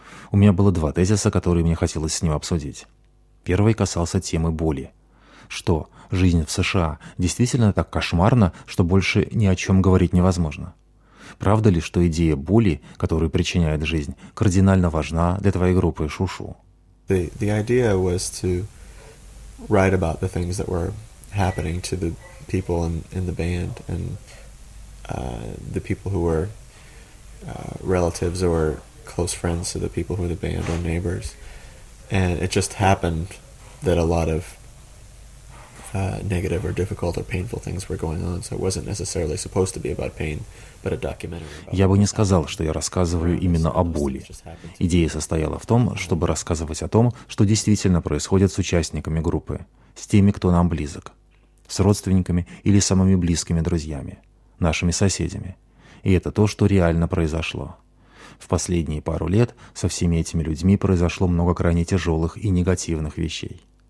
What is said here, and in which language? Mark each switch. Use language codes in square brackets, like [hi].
[ru] У меня было 2 тезиса, которые мне хотелось с ним обсудить. Первый касался темы боли. Что, жизнь в США действительно так кошмарна, что больше ни о чем говорить невозможно? Правда ли, что идея боли, которую причиняет жизнь, кардинально важна для твоей группы Шушу? [en] The idea was to write about the things that were happening to the people in the band and the people who were relatives or close friends to the people who were the band or neighbors. And it just happened that a lot of negative or difficult or painful things were going on, so it wasn't necessarily supposed to be about pain. [ru] Я бы не сказал, что я рассказываю именно о боли. Идея состояла в том, чтобы рассказывать о том, что действительно происходит с участниками группы, с теми, кто нам близок, с родственниками или самыми близкими друзьями, нашими соседями. И это то, что реально произошло. В последние пару лет со всеми этими людьми произошло много крайне тяжелых и негативных вещей.